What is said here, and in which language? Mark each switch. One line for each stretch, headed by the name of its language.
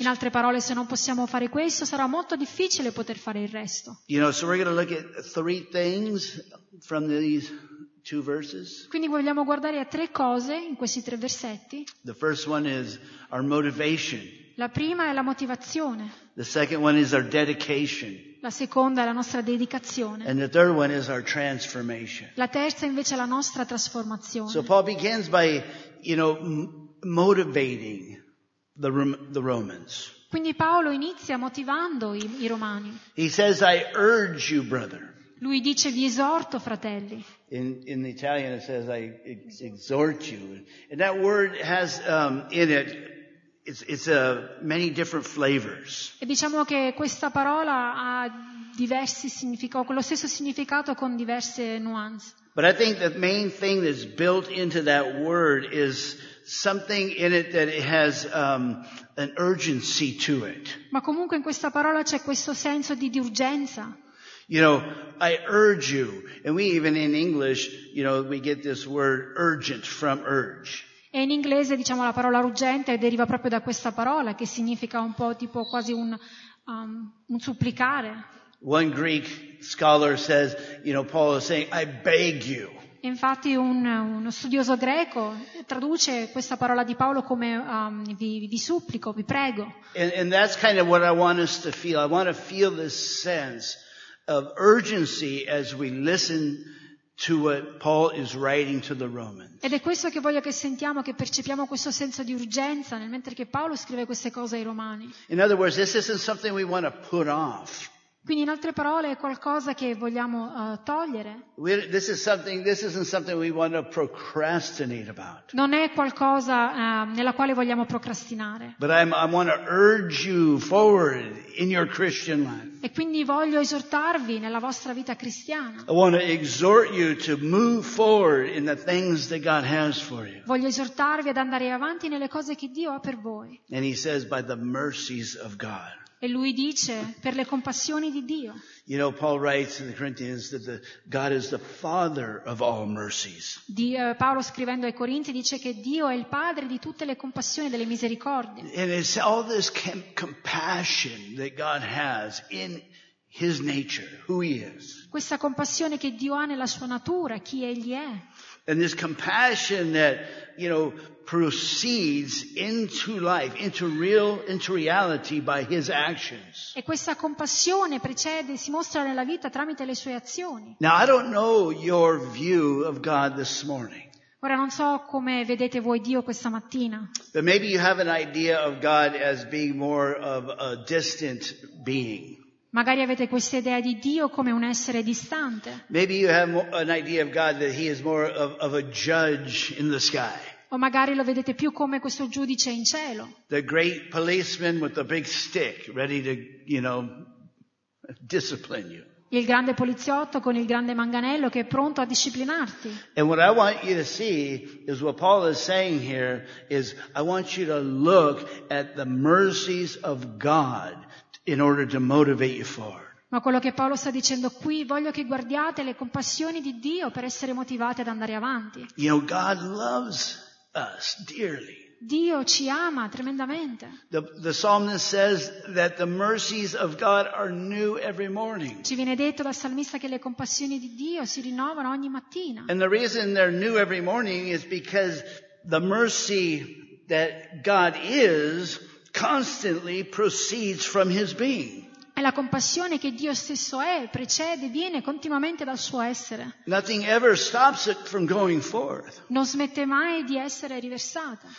Italian: In altre parole, se non possiamo fare questo, sarà molto difficile poter fare il resto.
English: You know, so we're going to look at three things from these two verses.
Italian: Quindi vogliamo guardare a tre cose in questi tre versetti.
English: The first one is our motivation.
Italian: La prima è la motivazione.
English: The second one is our dedication.
Italian: La seconda è la nostra dedicazione.
English: And the third one is our transformation.
Italian: La terza invece è la nostra trasformazione.
English: So Paul begins by, you know, motivating the Romans.
Italian: Quindi Paolo inizia motivando i Romani.
English: He says, I urge you, brother.
Italian: Lui dice, vi esorto, fratelli.
English: In Italian it says, I exhort you. And that word has in it, it's a many different flavors.
Italian: E diciamo che questa parola ha diversi significati, con lo stesso significato con diverse nuance.
English: But I think the main thing that's built into that word is something in it that it has an urgency to it.
Italian: Ma comunque in questa parola c'è questo senso di urgenza.
English: You know, I urge you, and we even in English, you know, we get this word urgent from urge.
Italian: E in inglese diciamo la parola urgente deriva proprio da questa parola che significa un po' tipo quasi un supplicare.
English: One Greek scholar says, you know, Paul is saying, I beg you.
Italian: Infatti uno studioso greco traduce questa parola di Paolo come vi supplico, vi prego.
English: And that's kind of what I want us to feel. I want to feel this sense of urgency as we listen to what Paul is writing to the Romans.
Italian: Ed è questo che voglio che sentiamo, che percepiamo questo senso di urgenza nel mentre che Paolo scrive queste cose ai Romani.
English: In other words, this isn't something we want to put off.
Italian: Quindi in altre parole è qualcosa che vogliamo togliere.
English: This isn't something we want to procrastinate about.
Italian: Non è qualcosa nella quale vogliamo procrastinare.
English: But I want to urge you forward in your Christian life.
Italian: E quindi voglio esortarvi nella vostra vita cristiana.
English: I want to exhort you to move forward in the things that God has for you.
Italian: Voglio esortarvi ad andare avanti nelle cose che Dio ha per voi.
English: And he says, by the mercies of God.
Italian: E lui dice, per le compassioni di Dio.
English: You know, Paul writes in the Corinthians that God is the Father of all mercies.
Italian: Paolo scrivendo ai Corinzi dice che Dio è il padre di tutte le compassioni e delle misericordie.
English: And it's all this compassion that God has in his nature, who he is.
Italian: Questa compassione che Dio ha nella sua natura, chi egli è.
English: And this compassion that, you know, proceeds into life, into reality by his actions.
Italian: E questa compassione precede, si mostra nella vita tramite le sue azioni.
English: Now I don't know your view of God this morning.
Italian: Ora non so come vedete voi Dio questa mattina.
English: But maybe you have an idea of God as being more of a distant being.
Italian: Magari avete questa idea di Dio come un essere distante.
English: Maybe you have an idea of God that he is more of a judge in the sky.
Italian: O magari lo vedete più come questo giudice in cielo.
English: The great policeman with the big stick ready to, you know, discipline you.
Italian: Il grande poliziotto con il grande manganello che è pronto a disciplinarti.
English: And what I want you to see is what Paul is saying here is I want you to look at the mercies of God in order to motivate you forward.
Italian: Ma quello che Paolo sta dicendo qui, voglio che guardiate le compassioni di Dio per essere motivate ad andare avanti.
English: You know, God loves us dearly.
Italian: Dio ci ama tremendamente.
English: The psalmist says that the mercies of God are new every morning.
Italian: Ci viene detto dal salmista che le compassioni di Dio si rinnovano ogni mattina.
English: And the reason they're new every morning is because the mercy that God is constantly proceeds from his being.
Italian: E la compassione che Dio stesso è precede, viene continuamente dal suo essere.
English: Nothing ever stops it from going forth.
Italian: Non smette mai di essere riversata.